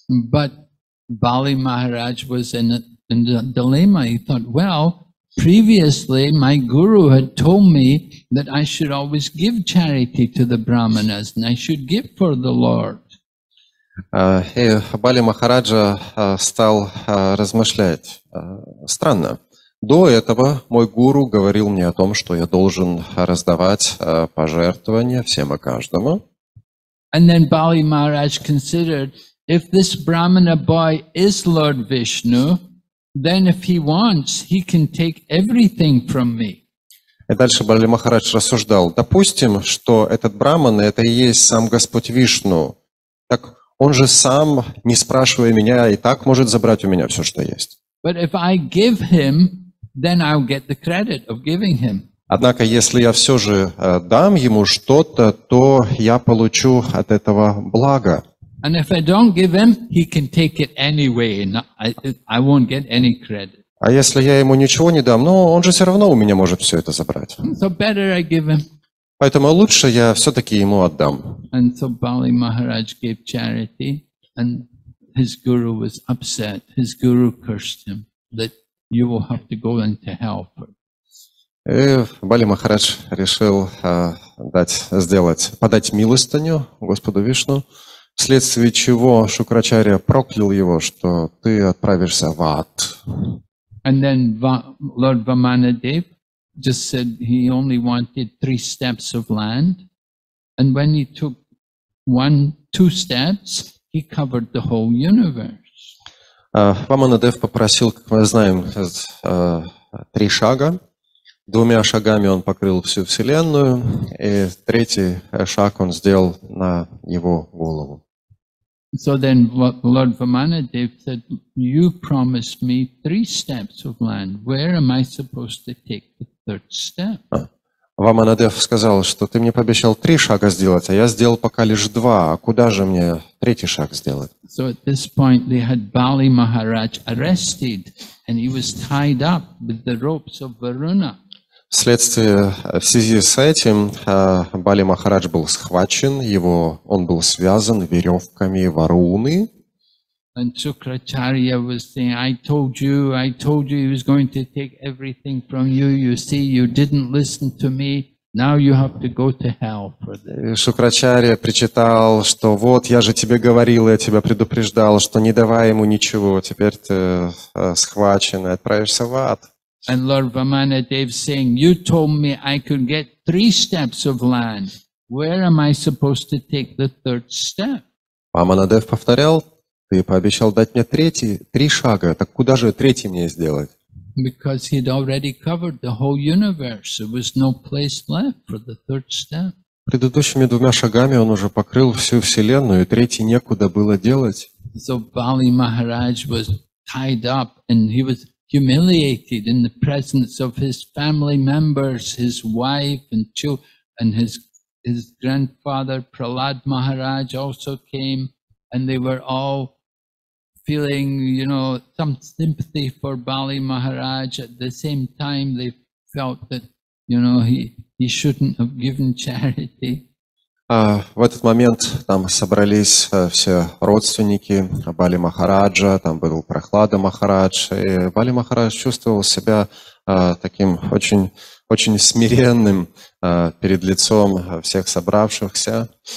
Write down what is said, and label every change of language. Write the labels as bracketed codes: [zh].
[en] But Bali Maharaj was in a dilemma. He thought, well, previously my guru had told me that I should always give charity to the brahmanas and I should give for the Lord. [ru] Бали Махараджа стал размышлять. Странно. До этого мой гуру говорил мне о том, что я должен раздавать пожертвования всем и каждому. [en] And then Bali Maharaj considered, if this brahmana boy is Lord Vishnu, then if he wants, he can take everything from me. [ru] И дальше Бали Махарадж рассуждал, допустим, что этот брахман это и есть сам Господь Вишну, так он же сам, не спрашивая меня, и так может забрать у меня все, что есть. [en] But if I give him, then I'll get the credit of giving him. [ru] Однако, если я все же дам ему что-то, то я получу от этого благо. [en] And if I don't give him, he can take it anyway. I won't get any credit. [ru] А если я ему ничего не дам, ну, он же все равно у меня может все это забрать. [en] So better I give him. [ru] Поэтому лучше я все-таки ему отдам. [en] And so Bali Maharaj gave charity, and his guru was upset. His guru cursed him that you will have to go into hell for. [ru] И Бали Махарадж решил подать милостыню Господу Вишну, вследствие чего Шукрачарья проклял его, что ты отправишься в ад. [en] And then Lord Vamanadev just said he only wanted 3 steps of land, and when he took 1-2 steps, he covered the whole universe. [ru] Vamanadev попросил, как мы знаем, 3 шага. 2 шагами он покрыл всю Вселенную, и 3-й шаг он сделал на его голову. [en] So then Lord Vamanadev said, you promised me 3 steps of land. Where am I supposed to take the 3rd step? [ru] Vamanadev сказал, что ты мне пообещал 3 шага сделать, а я сделал пока лишь 2. А куда же мне 3-й шаг сделать? [en] So at this point they had Bali Maharaj arrested and he was tied up with the ropes of Varuna. [ru] Вследствие, в связи с этим, Бали Махарадж был схвачен, он был связан веревками Варуны. [en] And Shukracharya was saying, I told you he was going to take everything from you. You see, you didn't listen to me. Now you have to go to hell for this. [ru] Шукрачарья причитал, что вот я же тебе говорил, я тебя предупреждал, что не давай ему ничего, теперь ты схвачен и отправишься в ад. [en] And Lord Vamanadev saying, you told me I could get 3 steps of land. Where am I supposed to take the 3rd step? [ru] Vamanadev повторял, ты пообещал дать мне 3 шага, так куда же 3-й мне сделать? [en] Because he'd already covered the whole universe. There was no place left for the 3rd step. [ru] Предыдущими 2 шагами он уже покрыл всю Вселенную, и 3-й некуда было делать. [en] So Bali Maharaj was tied up and he was humiliated in the presence of his family members, his wife and children, and his grandfather Prahlad Maharaj also came, and they were all feeling, you know, some sympathy for Bali Maharaj. At the same time, they felt that, you know, he shouldn't have given charity. [ru] В этот момент там собрались все родственники Бали Махараджа, там был Прахлада Махарадж, и Бали Махарадж чувствовал себя таким очень, очень смиренным перед лицом всех собравшихся.